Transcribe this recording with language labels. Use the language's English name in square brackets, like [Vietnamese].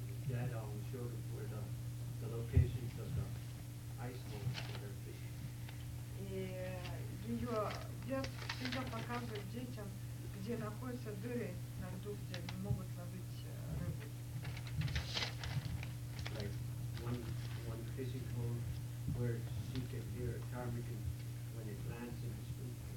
[English] Dad always showed them where the locations of the ice holes for their fishing. [Russian] И ее дед всегда показывает детям, где находятся дыры на льду, где они могут ловить рыбу. [English] Like one fishing hole where she can hear a ptarmigan when it lands in the spring.